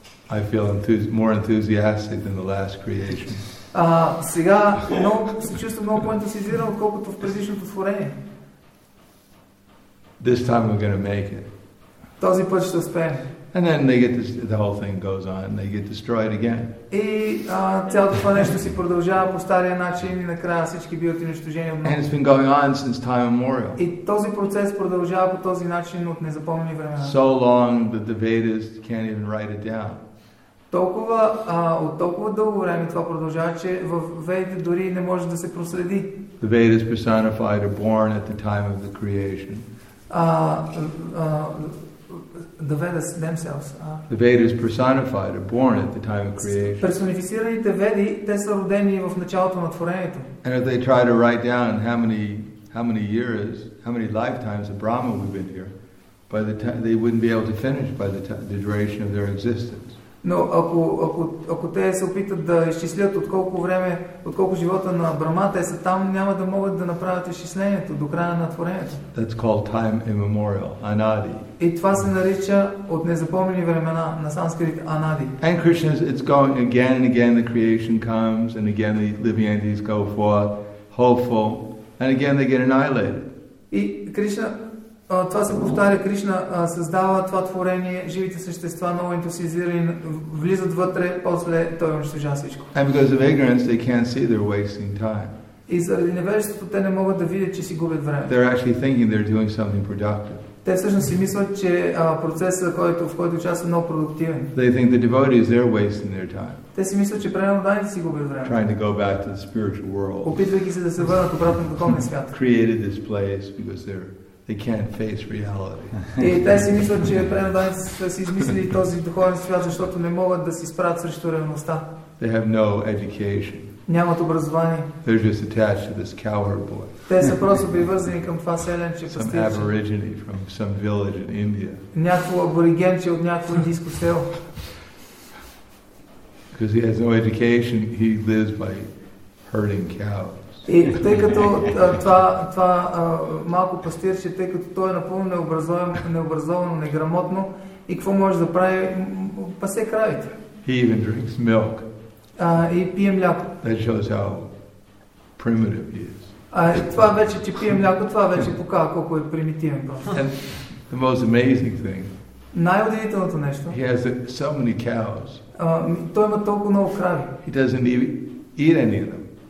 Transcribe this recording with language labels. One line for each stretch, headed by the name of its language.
English: I feel more enthusiastic than the last creation.
Bulgarian: Сега се чувствам много по-ентусиазиран, отколкото в предишното творение.
English: This time we're going to make it.
Bulgarian: Този път ще успеем.
English: And then they get the whole thing goes on and they get destroyed again.
Bulgarian: И цялото това нещо си продължава по стария начин и накрая всички биват унищожени отново.
English: And it's been going on since time immemorial.
Bulgarian: И този процес продължава по този начин от незапомнени времена.
English: So long that the Vedas can't even write it down.
Bulgarian: Толкова от толкова дълго време това продължава, че в Ведите дори не може да се проследи.
English: The Vedas personified are born at the time of the creation. The Vedas themselves. The Vedas personified are born at the time of creation.
Bulgarian: Персонифицираните Веди, те са родени в началото на творението.
English: And if they try to write down how many years, how many lifetimes of Brahma we've been here, by the time they wouldn't be able to finish by the duration of their existence.
Bulgarian: Но ако те се опитат да изчислят от колко време, от колко живота на Брама те са там, няма да могат да направят изчислението до края на творението.
English: That's called time immemorial, anadi.
Bulgarian: И това се нарича от незапомнени времена на санскрит анади.
English: And Krishna, it's going again and again. The creation comes and again the living entities go forth, hopeful, and again they get annihilated.
Bulgarian: И Кришна. Това се повтаря, Кришна създава това творение, живите същества, много ентусиазирани, влизат вътре, после той унищожава всичко.
English: And because of ignorance, they can't see they're wasting time.
Bulgarian: И заради невежеството те не могат да видят, че си губят време.
English: They're actually thinking they're doing something productive.
Bulgarian: Те всъщност си мислят, че процесът, в който участват, е много продуктивен.
English: They think the devotees, they're wasting their time.
Bulgarian: Те си мислят, че преданите си губят време.
English: Trying to go back to the spiritual world.
Bulgarian: Опитвайки се да се върнат обратно в духовния свят.
English: Created this place because they can't face reality.
Bulgarian: И те си мислят, че преданите са си измислили този духовен свят, защото не могат да се справят срещу реалността.
English: They have no education.
Bulgarian: нямат образование.
English: They're just attached to this cowherd boy.
Bulgarian: Те са просто привързани към това селенче.
English: Some aborigine from some village in India.
Bulgarian: Някакво аборигенче от някакво индийско село.
English: Because he has no education, he lives by herding cows.
Bulgarian: И тъй като това малко пастирче, тъй като той е напълно необразовано, неграмотно, и какво може да прави? Пасе кравите.
English: He even drinks milk.
Bulgarian: И пие мляко.
English: That shows how primitive he is.
Bulgarian: Това вече, че пие мляко, това вече показва колко е примитивен.
English: The most amazing thing.
Bulgarian: Най-удивителното нещо.
English: He has so many cows.
Bulgarian: Той има толкова много крави.
English: He doesn't even eat any of them.